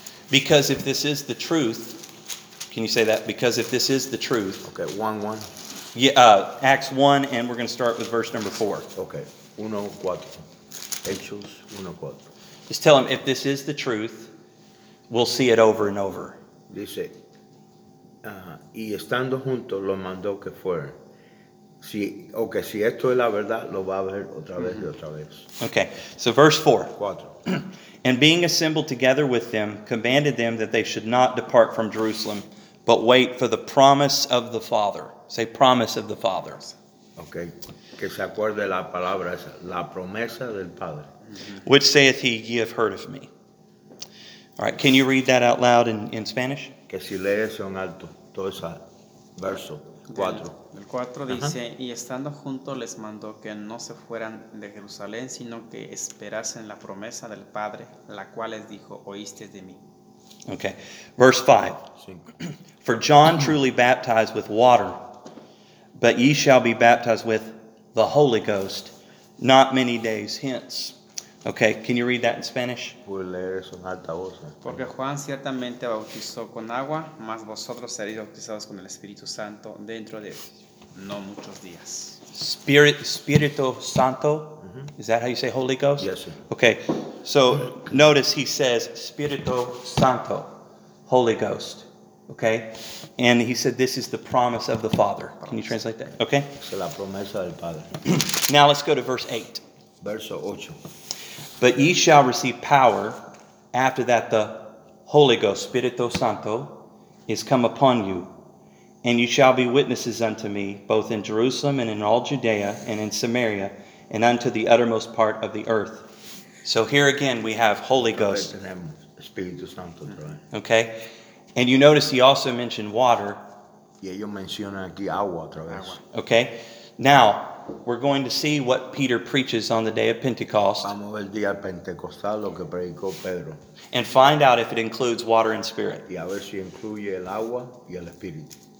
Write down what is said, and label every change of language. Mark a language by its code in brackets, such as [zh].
[en] Because if this is the truth, can you say that? Because if this is the truth. Okay, 1:1. Yeah, Acts 1, and we're going to start with verse number 4. Okay, 1:4. Hechos 1:4. Just tell him, if this is the truth, we'll see it over and over. [es] Dice, y estando juntos, lo mandó que fuera. Si, okay, si esto es la verdad, lo va a ver otra vez y otra vez. [en] Okay, so verse 4. 4. And being assembled together with them, commanded them that they should not depart from Jerusalem, but wait for the promise of the Father. Say, promise of the Father. Okay. [es] Que se acuerde la palabra esa, la promesa del Padre. [en] Which saith he, ye have heard of me. All right, can you read that out loud in Spanish? [es] Que si lee eso en alto, todo ese verso, 4. El 4 dice, y estando juntos les mandó que no se fueran de Jerusalén, sino que esperasen la promesa del Padre, la cual les dijo, oíste de mí. [en] Okay, verse 5. For John truly baptized with water, but ye shall be baptized with the Holy Ghost not many days hence. Okay, can you read that in Spanish? [es] Voy a leer eso en alta voz. Porque Juan ciertamente bautizó con agua, mas vosotros seréis bautizados con el Espíritu Santo dentro de no muchos días. [en] Espíritu Santo? Mm-hmm. Is that how you say Holy Ghost? Yes, sir. Okay, so notice he says Espíritu Santo, Holy Ghost. Okay, and he said, this is the promise of the Father. Can you translate that? Okay. [es] Es la promesa del Padre. [en] Now let's go to verse 8. [es] Verso 8. [en] But ye shall receive power after that the Holy Ghost, Spirito Santo, is come upon you. And you shall be witnesses unto me, both in Jerusalem and in all Judea and in Samaria and unto the uttermost part of the earth. So here again we have Holy Ghost. [es] Spirito Santo. [en] Okay. And you notice he also mentioned water. [es] Yeah, yo menciono aquí agua otra vez. [en] Okay. Now, we're going to see what Peter preaches on the day of Pentecost. [es] Vamos a ver el día pentecostal lo que predicó Pedro. [en] And find out if it includes water and spirit. [es] Y a ver si incluye el agua y el espíritu.